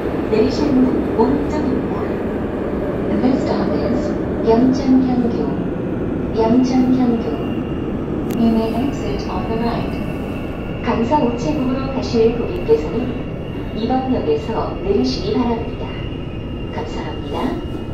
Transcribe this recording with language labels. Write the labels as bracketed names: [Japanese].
[Korean] 내리셔는 오른쪽입니다. [English] The stop is 양천평교. [Korean] 양천평교. [English] You may exit on the right. [Korean] 강서 우체국으로 가실 고객께서는 2번역에서 내리시기 바랍니다. 감사합니다.